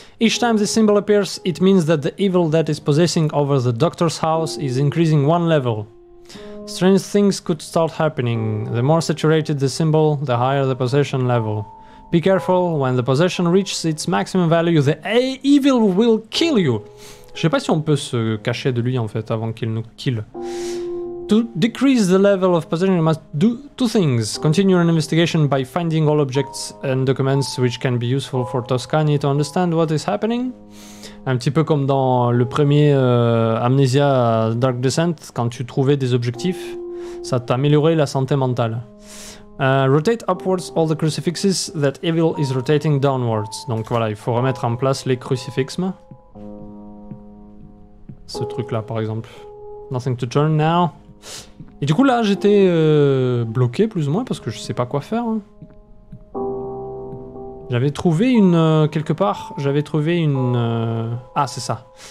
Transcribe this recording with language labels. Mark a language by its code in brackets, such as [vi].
[en] Each time the symbol appears, it means that the evil that is possessing over the doctor's house is increasing one level. Strange things could start happening. The more saturated the symbol, the higher the possession level. Be careful, when the possession reaches its maximum value, the evil will kill you. [fr] Je sais pas si on peut se cacher de lui en fait avant qu'il nous kill. [en] To decrease the level of possession, you must do two things. Continue an investigation by finding all objects and documents which can be useful for Toscani to understand what is happening. [fr] Un petit peu comme dans le premier Amnesia Dark Descent, quand tu trouvais des objectifs, ça t'améliorait la santé mentale. [en] Rotate upwards all the crucifixes that evil is rotating downwards. [fr] Donc voilà, il faut remettre en place les crucifixes. Ce truc là par exemple. [en] Nothing to turn now. [fr] Et du coup là j'étais bloqué plus ou moins parce que je sais pas quoi faire. Hein. J'avais trouvé une... quelque part, j'avais trouvé une... ah c'est ça.